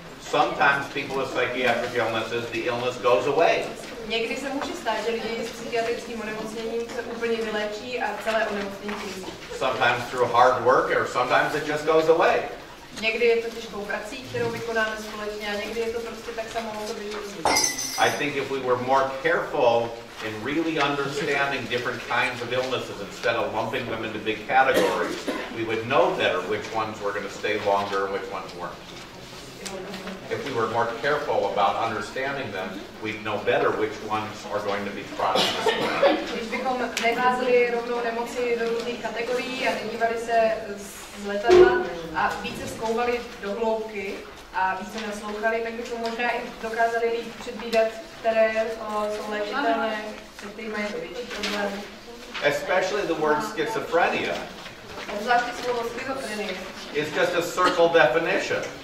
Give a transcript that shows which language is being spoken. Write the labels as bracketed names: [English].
[English] Sometimes people with psychiatric illnesses, the illness goes away. [Czech] Někdy se může stát, že lidi s psychiatrickým onemocněním se úplně vylečí a celé onemocnění zmizí. [English] Sometimes through hard work, or sometimes it just goes away. [Czech] Někdy je to těžkou prací, kterou vykonáme společně, a někdy je to prostě tak samo o sobě, že zmizí. [English] I think if we were more careful in really understanding different kinds of illnesses instead of lumping them into big categories, we would know better which ones were going to stay longer and which ones weren't. If we were more careful about understanding them, we'd know better which ones are going to be chronic. [Czech] Když bychom neházeli rovnou nemoci do různých kategorií a nedívali se z letadla a více zkoumali do hloubky a více naslouchali, tak bychom možná i dokázali líp předvídat, které jsou léčitelné, se kterými mají větší problémy. [English] Especially the word schizophrenia. [Czech] Obzvláště slovo schizofrenie. [English] It's just a circle definition.